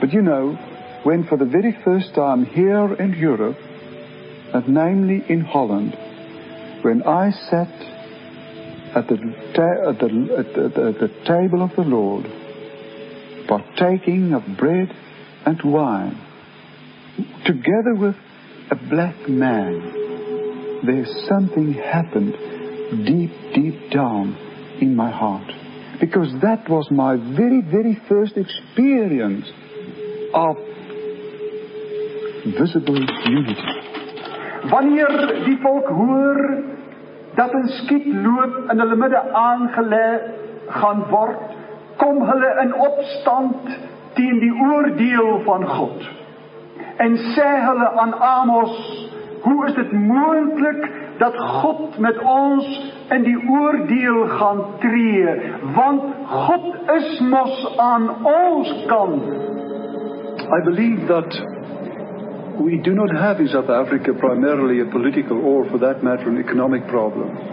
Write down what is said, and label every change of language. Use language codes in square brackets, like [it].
[en] But you know, when for the very first time here in Europe, and namely in Holland, when I sat at the table of the Lord, partaking of bread and wine, together with a black man, there's something happened deep, deep down in my heart. Because that was my very, very first experience of visible unity. [af] Wanneer die volk hoor dat 'n skietloop in hulle midde aangelê gaan word, kom hulle in opstand teen die oordeel van God en sê hulle aan Amos, hoe is dit moontlik dat God met ons in die oordeel gaan tree, want God is mos aan ons kant. [en] I believe that we do not have in South Africa primarily a political or for that matter an economic problem.